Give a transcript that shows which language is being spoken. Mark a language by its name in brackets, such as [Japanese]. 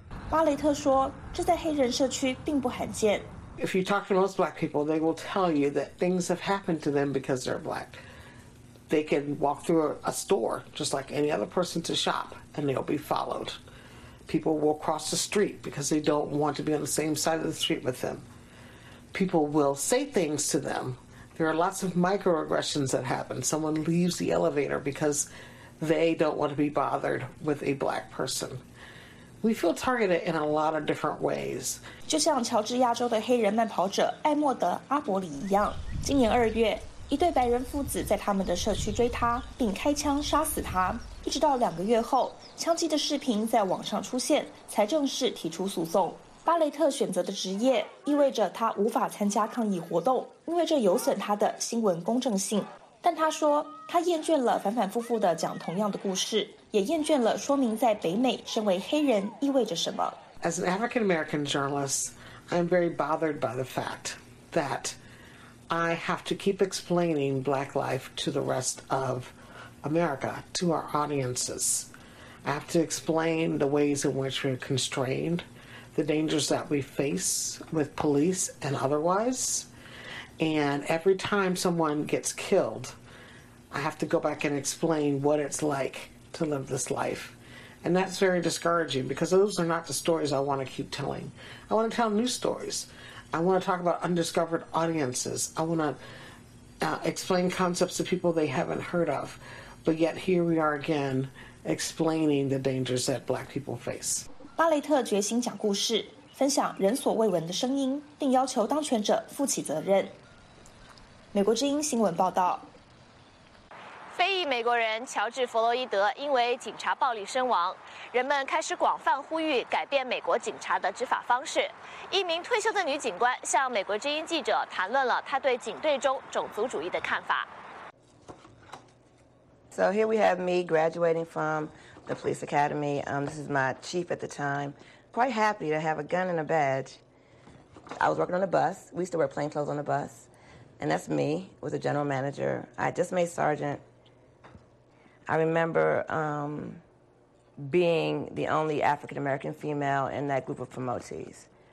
[Chinese] 巴雷特说，这在黑人社区并不罕见。 [English] If you talk to most black people, they will tell you that things have happened to them because they're black. They can walk through a store just like any other person to shop, and they'll be followed. People will cross the street because they don't want to be on the same side of the street with them. People will say things to them. There are lots of microaggressions that happen. Someone leaves the elevator because they don't want to be bothered with a black person. We feel targeted in a lot of different ways. [Chinese] 就像乔治亚州的黑人慢跑者艾默德·阿伯里一样，今年二月，一对白人父子在他们的社区追他，并开枪杀死他。一直到两个月后，枪击的视频在网上出现，才正式提出诉讼。巴雷特选择的职业意味着他无法参加抗议活动，因为这有损他的新闻公正性。但他说他厌倦了反反复复地讲同样的故事，也厌倦了说明在北美身为黑人意味着什么。 [English] As an African American journalist, I'm very bothered by the fact that I have to keep explaining black life to the rest of America, to our audiences. I have to explain the ways in which we're constrained, the dangers that we face with police and otherwise. And every time someone gets killed, I have to go back and explain what it's like to live this life. And that's very discouraging because those are not the stories I want to keep telling. I want to tell new stories. I want to talk about undiscovered audiences. I want to explain concepts to people they haven't heard of. But yet here we are again explaining the dangers that black people face. [Chinese] 巴雷特决心讲故事，分享人所未闻的声音，并要求当权者负起责任。美国之音新闻报道。非裔美国人乔治·弗洛伊德因为警察暴力身亡，人们开始广泛呼吁改变美国警察的执法方式。一名退休的女警官向美国之音记者谈论了她对警队中种族主义的看法。 [English] So here we have me graduating from the police academy. This is my chief at the time. Quite happy to have a gun and a badge. I was working on the bus. We used to wear plain clothes on the bus. And that's me with a general manager. I just made sergeant. I remember being the only African-American female in that group of promotees.